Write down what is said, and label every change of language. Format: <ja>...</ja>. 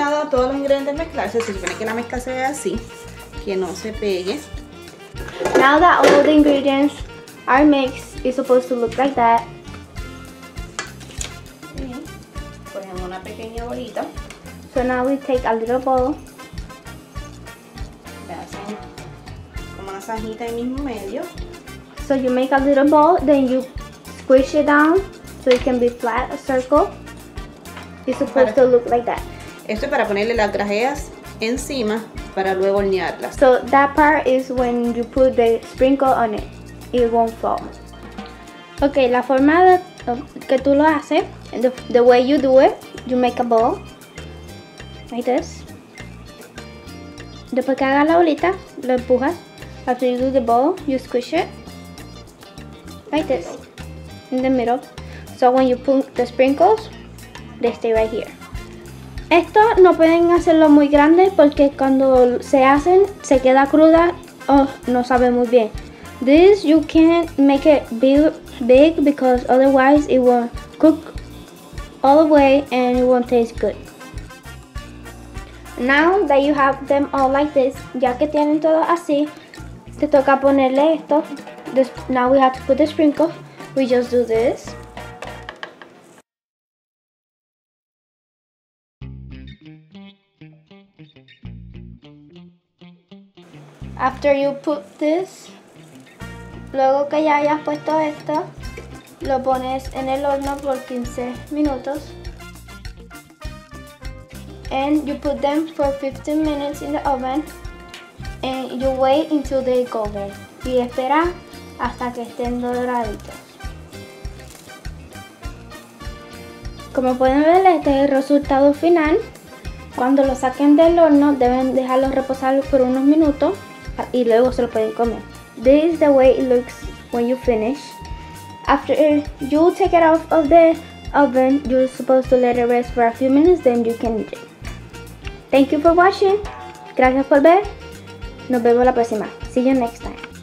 <es>Todos los ingredientes mezclarse, se supone que la mezcla sea así, que no se pegue.</es> <en>Now that all the ingredients are mixed, it's supposed to look like that.</en> <es>Bien. Cogemos una pequeña bolita.</es> <en>So now we take a little bowl.</en> <es>Le hacen como una zanjita en el mismo medio.</es> <en>So you make a little bowl, then you squish it down so it can be flat, a circle. It's supposed to look like that.</en> <es>Esto es para ponerle las grajeas encima para luego hornearlas.</es> <en>So that part is when you put the sprinkle on it. It won't fall. Ok,</en> <es>la forma de, que tú lo haces,</es> <en>the way you do it, you make a ball. Like this.</en> <es>Después que hagas la bolita, lo empujas.</es> <en>After you do the ball, you squish it. Like this. In the middle. So when you put the sprinkles, they stay right here.</en> <es>Esto no pueden hacerlo muy grande porque cuando se hacen se queda cruda o no sabe muy bien.</es> <en>This you can't make it big because otherwise it won't cook all the way and it won't taste good. Now that you have them all like this,</en> <es>ya que tienen todo así, te toca ponerle esto.</es> <en>Now we have to put the sprinkles. We just do this. After you put this,</en> <es>luego que ya hayas puesto esto, lo pones en el horno por 15 minutos.</es> <en>And you put them for 15 minutes in the oven. And you wait until they cover.</en> <es>Y espera hasta que estén doraditos. como pueden ver, este es el resultado final. Cuando lo saquen del horno, deben dejarlo reposar por unos minutos y luego se lo pueden comer.</es> <en>This is the way it looks when you finish. After you take it out of the oven, you're supposed to let it rest for a few minutes, then you can eat it. Thank you for watching.</en> <es>Gracias por ver. Nos vemos la próxima.</es> <en>See you next time.</en>